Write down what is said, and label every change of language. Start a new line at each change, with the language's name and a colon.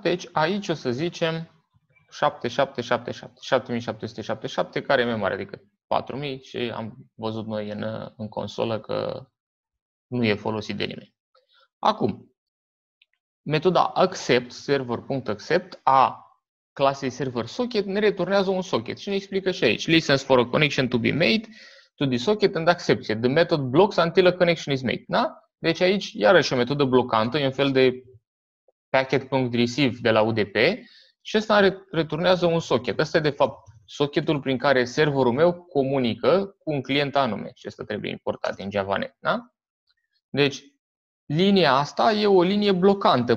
Romanian: Deci aici o să zicem 7777, 7777, care e mai mare decât 4000 și am văzut noi în consolă că nu e folosit de nimeni. Acum, metoda accept, server.accept, a clasei server socket, ne returnează un socket și ne explică și aici.
English: Listens for a connection to be made to the socket and accepts it. The method blocks until a connection is made.
Romanian: Da? Deci aici, iarăși o metodă blocantă, e un fel de packet.receive de la UDP, și ăsta returnează un socket. Ăsta e, de fapt, socketul prin care serverul meu comunică cu un client anume. Și ăsta trebuie importat din JavaNet. Da? Deci, linia asta e o linie blocantă.